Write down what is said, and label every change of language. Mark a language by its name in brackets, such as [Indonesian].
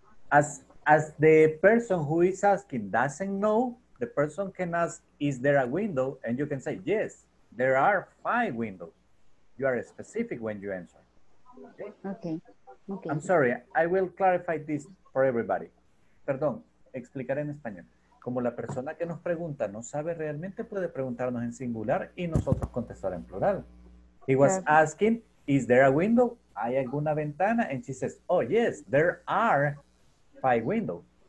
[English] As the person who is asking doesn't know, the person can ask, is there a window? And you can say, yes, there are five windows. You are specific when you answer. Okay. I'm sorry, I will clarify this for everybody. [Spanish] Perdón, explicaré en español. Como la persona que nos pregunta no sabe realmente, puede preguntarnos en singular y nosotros contestar en plural. [English] He was asking, is there a window? [Spanish] ¿Hay alguna ventana? [English] And she says, oh, yes, there are five windows.